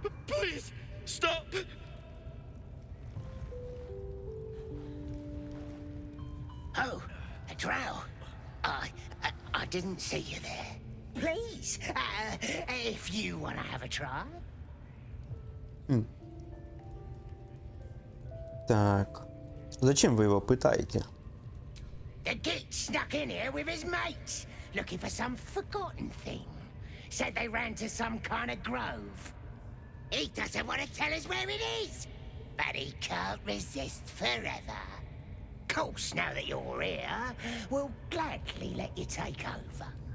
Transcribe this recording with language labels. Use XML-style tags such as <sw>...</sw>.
<en>Please stop. Oh, a drow. I didn't see you there. Please, if you want to have a try.</en> <ru>Так, зачем вы его пытаете?</ru> <en>The git snuck in here with his mates, looking for some forgotten thing. Said they ran to some kind of grove. He doesn't want to tell us where it is, but he can't resist forever. Of course, now that you're here, we'll gladly let you take over.</en>